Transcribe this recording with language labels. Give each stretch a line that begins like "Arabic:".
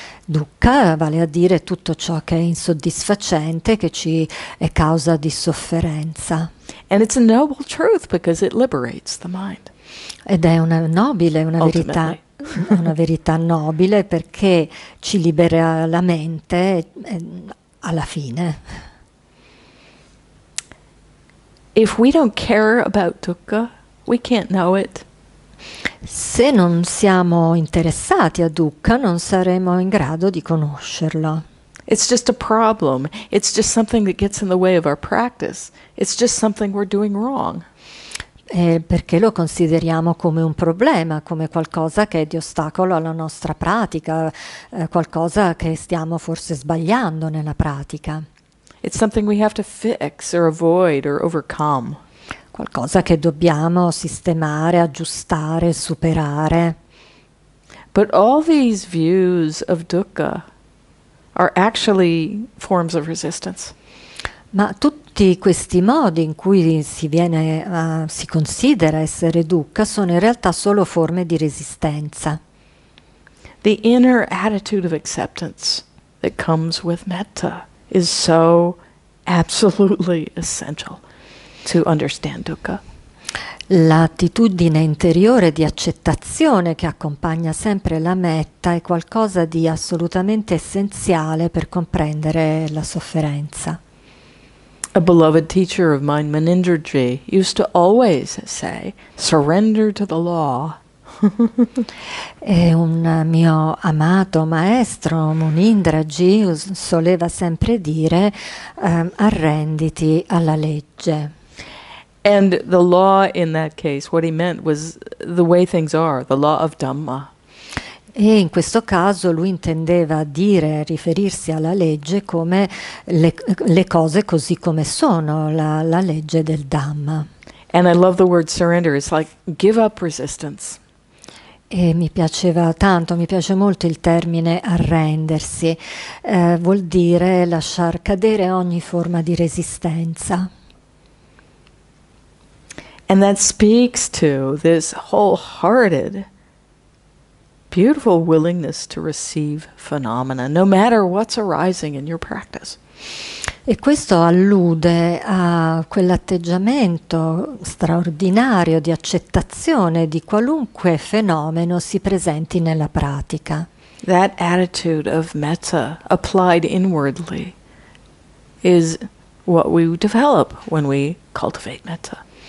Italian: Dukkha vale a dire tutto ciò che è insoddisfacente, che ci è causa di sofferenza.
English: And it's a noble truth because it liberates the mind.
Italian: Ed è una nobile, una verità. Una verità nobile perché ci libera la mente alla fine.
English: If we don't care about dukkha, we can't know it.
Italian: Se non siamo interessati a dukkha, non saremo in grado di conoscerlo.
English: It's just a problem. It's just something that gets in the way of our practice. It's just something we're doing wrong.
Italian: Perché lo consideriamo come un problema, come qualcosa che è di ostacolo alla nostra pratica, qualcosa che stiamo forse sbagliando nella pratica.
English: It's something we have to fix or avoid or overcome.
Italian: Qualcosa che dobbiamo sistemare, aggiustare, superare.
English: But all these views of dukkha are actually forms of resistance.
Italian: Ma tutti questi modi in cui si considera essere dukkha sono in realtà solo forme di resistenza.
English: The inner attitude of acceptance that comes with metta is so absolutely essential to understand dukkha.
Italian: L'attitudine interiore di accettazione che accompagna sempre la metta è qualcosa di assolutamente essenziale per comprendere la sofferenza.
English: A beloved teacher of mine, Manindraji, used to always say, "Surrender to the law."
Italian: E un mio amato maestro, Manindraji, soleva sempre dire, "Arrenditi alla legge."
English: And the law in that case, what he meant was the way things are, the law of Dhamma.
Italian: E in questo caso lui intendeva dire, riferirsi alla legge come le cose così come sono, la legge del Dhamma.
English: And I love the word surrender, it's like give up resistance.
Italian: E mi piace molto il termine arrendersi, vuol dire lasciar cadere ogni forma di resistenza.
English: And that speaks to this wholehearted, beautiful willingness to receive phenomena, no matter what's arising in your practice.
Italian: E questo allude a quell'atteggiamento straordinario di accettazione di qualunque fenomeno si presenti nella pratica.
English: That attitude of metta applied inwardly is what we develop when we cultivate metta.